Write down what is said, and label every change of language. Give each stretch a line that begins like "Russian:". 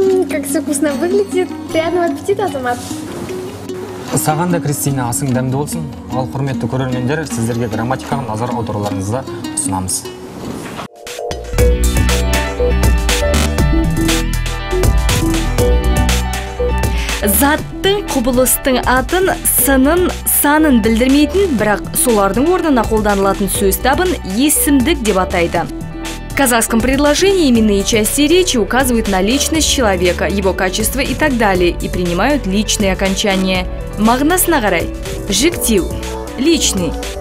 Russian: Как все вкусно выглядит. Приятного аппетита, Азамат.
Kazakh: Саған да, Кристина, асың дәмді болсын. Ал құрметті көрермендер, сіздерге грамматикаға назар аударуларыңызды ұсынамыз. Заттың, құбылыстың атын, сынын, санын білдірмейтін, бірақ солардың орнына қолданылатын сөз табын есімдік деп атайды.
Russian: В казахском предложении именные части речи указывают на личность человека, его качество и так далее, и принимают личные окончания. Магнас нагарай – жиктив – личный.